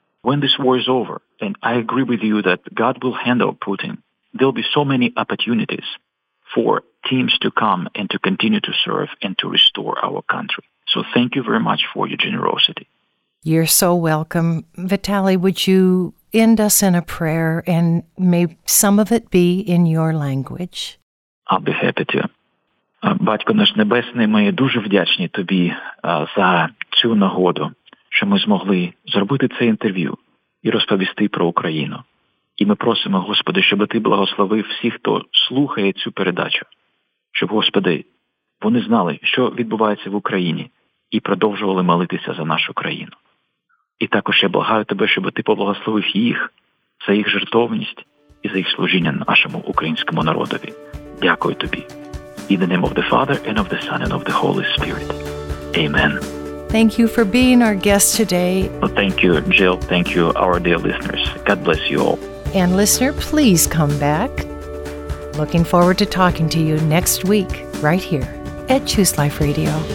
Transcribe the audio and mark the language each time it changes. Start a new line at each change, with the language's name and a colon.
English: when this war is over, and I agree with you that God will handle Putin, there'll be so many opportunities for teams to come and to continue to serve and to restore our country. So thank you very much for your generosity. You're so welcome. Vitaliy, would you end us in a prayer, and may some of it be in your language? I'll be happy to.
Ukrainian: Батько наш Небесний, ми дуже вдячні тобі за цю нагоду, що ми змогли зробити це інтерв'ю і розповісти про Україну. І ми просимо, Господи, щоб ти благословив всіх, хто слухає цю передачу. Щоб, Господи, вони знали, що відбувається в Україні, і продовжували молитися за нашу країну. І також я благаю тебе, щоб ти поблагословив їх за їх жертовність і за їх служіння нашому українському народові. Дякую тобі.
English: In the name of the Father, and of the Son, and of the Holy Spirit. Amen. Thank you for being our guest today. Well, thank you, Jill. Thank you, our dear listeners. God bless you all. And listener, please come back. Looking forward to talking to you next week, right here at Choose Life Radio.